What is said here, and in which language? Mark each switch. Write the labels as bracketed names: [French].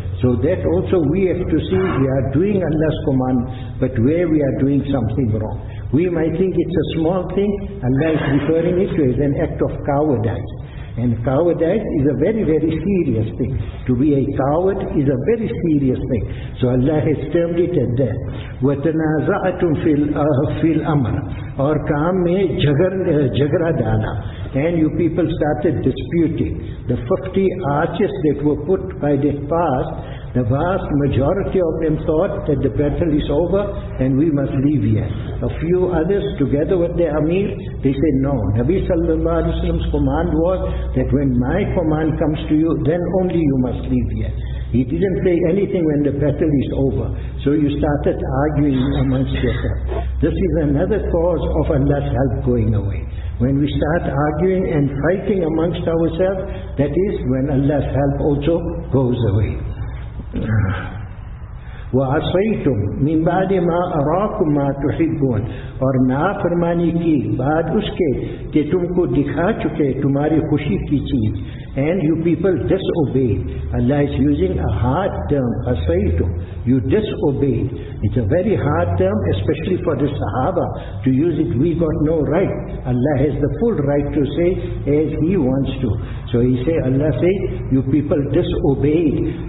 [English] So that also we have to see, we are doing Allah's command, but where we are doing something wrong. We might think it's a small thing, Allah is referring it to as an act of cowardice. And cowardice is a very, very serious thing. To be a coward is a very serious thing. So Allah has termed it as that. [Arabic] وَتَنَازَعْتُمْ فِي الْأَمْرِ [Urdu] اور کام میں جھگڑا ڈالا. [English] And you people started disputing. The 50 arches that were put by this pass, the vast majority of them thought that the battle is over and we must leave here. A few others, together with their Amir, they said, no. Nabi sallallahu alayhi wa sallam's command was that when my command comes to you, then only you must leave here. He didn't say anything when the battle is over. So you started arguing amongst yourself. This is another cause of Allah's help going away. When we start arguing and fighting amongst ourselves, that is when Allah's help also goes away. [Arabic] وَعَصَيْتُمْ مِنْ بَعْدِ مَا أَرَاكُمْ مَا تُحِبُّونَ [Urdu] اور نافرمانی کی بعد اس کے کہ تم کو دکھا چکے تمہاری خوشی کی چیز. [English] And you people disobeyed. Allah is using a hard term, asaitu. You disobeyed. It's a very hard term, especially for the Sahaba to use it. We got no right. Allah has the full right to say as He wants to. So He say, Allah say, you people disobeyed.